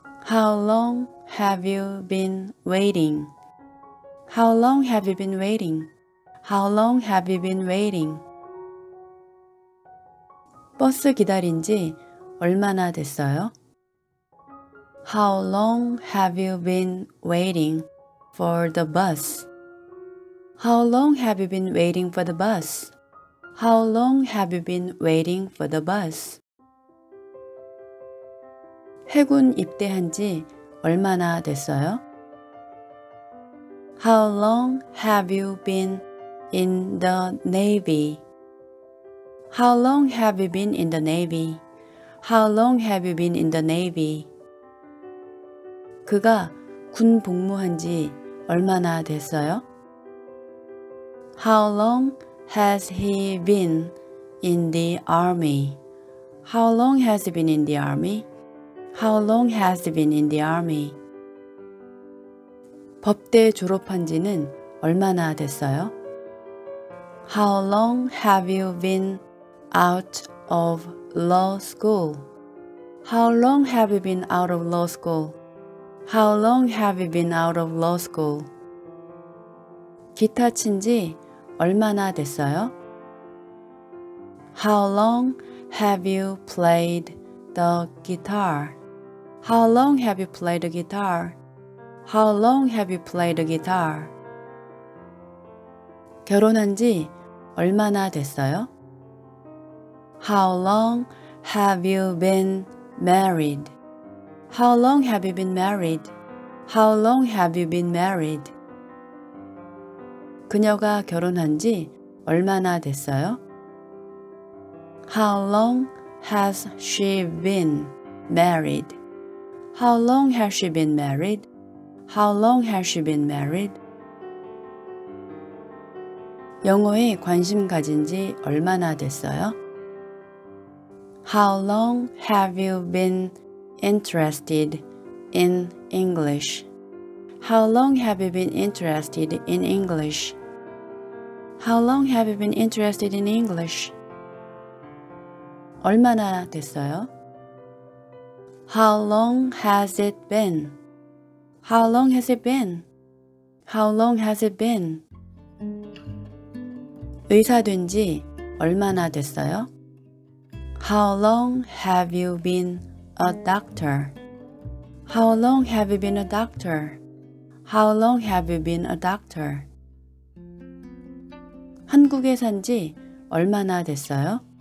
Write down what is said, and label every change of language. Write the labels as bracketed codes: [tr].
[en] How long have you been waiting? How long have you been waiting? How long have you been waiting? [ko] 버스 기다린 지 얼마나 됐어요? [en] How long have you been waiting for the bus? How long have you been waiting for the bus? How long have you been waiting for the bus? [ko] 해군 입대한 지 얼마나 됐어요? [en] How long have you been in the Navy? How long have you been in the Navy? How long have you been in the Navy? [ko] 그가 군 복무한 지 얼마나 됐어요? [en] How long has he been in the army? How long has he been in the army? How long has he been in the army? [ko] 법대 졸업한 지는 얼마나 됐어요? [en] How long have you been out of law school? How long have you been out of law school? How long have you been out of law school? [ko] 기타 친 지 얼마나 됐어요? [en] How long have you played the guitar? How long have you played the guitar? How long have you played the guitar? [ko] 결혼한 지 얼마나 됐어요? [en] How long have you been married? How long have you been married? How long have you been married? [ko] 그녀가 결혼한 지 얼마나 됐어요? [en] How long has she been married? How long has she been married? How long has she been married? [ko] 영어에 관심 가진 지 얼마나 됐어요? [en] How long have you been interested in English? How long have you been interested in English? How long have you been interested in English? [ko] 얼마나 됐어요? [en] How long has it been? How long has it been? How long has it been? [ko] 의사 된 지 얼마나 됐어요? [en] How long have you been a doctor? How long have you been a doctor? How long have you been a doctor? [ko] 한국에 산 지 얼마나 됐어요?